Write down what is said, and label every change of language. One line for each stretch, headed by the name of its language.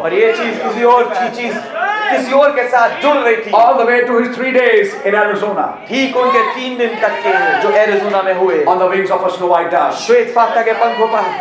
Hindi: और ये चीज किसी और के साथ जुड़ रही थी.
English: All the way to his 3 days in Arizona.
Hindi: ठीक उनके 3 दिन तक के जो एरिजोना में हुए.
English: On the wings of a snow white dove.
Hindi: श्वेत फाख्ता के पंखों पर.